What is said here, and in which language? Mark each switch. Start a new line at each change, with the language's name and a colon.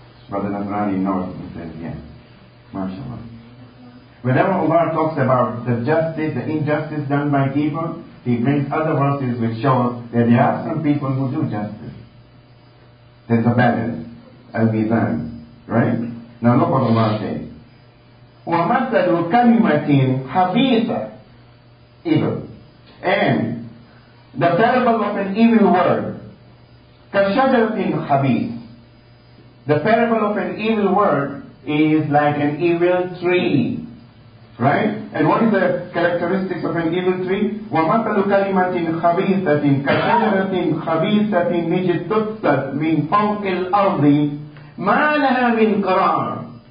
English: Brother Nasrani knows, he says, yes. MashaAllah. Whenever Allah talks about the justice, the injustice done by evil, he brings other verses which show that there are some people who do justice. There's a balance. Al-Mizan. Right? Now look what Allah says.
Arabic: وَمَثَلُ كَلِمَةٍ حَبِيثًا evil.
English: And the parable of an evil word,
Arabic: كَشَجَرَةٍ حَبِيث.
English: The parable of an evil word is like an evil tree. Right? And what is the characteristics of an evil tree?
Arabic: وَمَثَلُ كَلِمَةٍ خَبِيثَةٍ كَشَجَرَةٍ خَبِيثَةٍ اجْتُثَّتْ مِنْ فَوْقِ الْأَرْضِ مَا لَهَا مِنْ قَرَارٍ.